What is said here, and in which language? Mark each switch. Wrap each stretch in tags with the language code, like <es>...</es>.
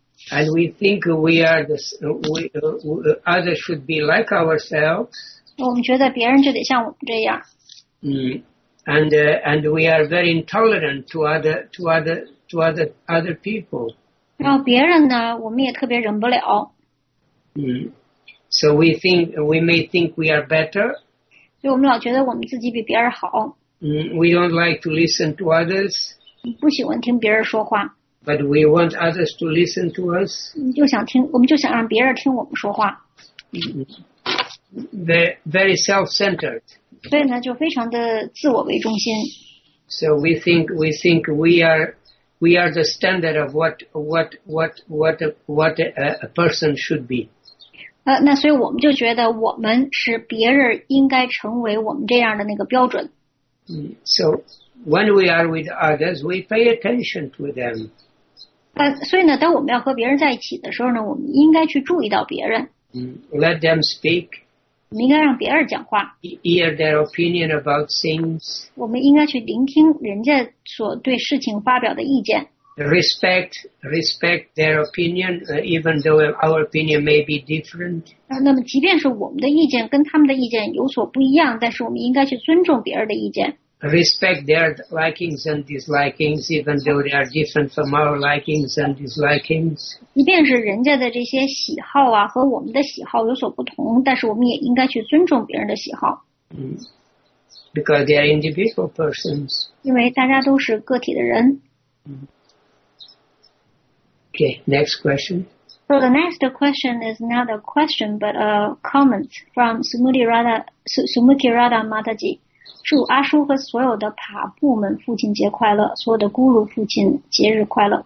<en>And we think we are the others should be like ourselves.</en> <zh>我们觉得别人就得像我们这样。</zh> <en>And we are very intolerant to other people.</en> <zh>然后别人呢，我们也特别忍不了。</zh> <en>So we may think we are better.</en> <zh>所以我们老觉得我们自己比别人好。</zh> <en>We don't like to listen to others.</en> <zh>不喜欢听别人说话。</zh> <en>But we want others to listen to us.</en> <zh>我们就想让别人听我们说话。</zh> <en>Very self-centered.</en> <zh>所以呢，就非常的自我为中心。</zh> <en>So we think we are the standard of what a person should be.</en> <zh>那所以我们就觉得我们是别人应该成为我们这样的那个标准。</zh> <en>So when we are with others, we pay attention to them.</en> <zh>所以呢，当我们要和别人在一起的时候呢，我们应该去注意到别人。</zh> <en>Let them speak.</en> <zh>我们应该让别人讲话。</zh> <en>Hear their opinion about things.</en> <zh>我们应该去聆听人家所对事情发表的意见。</zh> <en>Respect their opinion, even though our opinion may be different.</en> <zh>那么，即便是我们的意见跟他们的意见有所不一样，但是我们应该去尊重别人的意见。</zh> <en>Respect their likings and dislikings, even though they are different from our likings and dislikings.</en> <zh>即便是人家的这些喜好啊，和我们的喜好有所不同，但是我们也应该去尊重别人的喜好。</zh> <en>Because they are individual persons.</en> <zh>因为大家都是个体的人。</zh> <en>Okay, next question. So the next question is not a question, but a comment from Sumuti Radha Mataji.</en> <zh>祝阿叔和所有的爬部们父亲节快乐，所有的咕噜父亲节日快乐。</zh>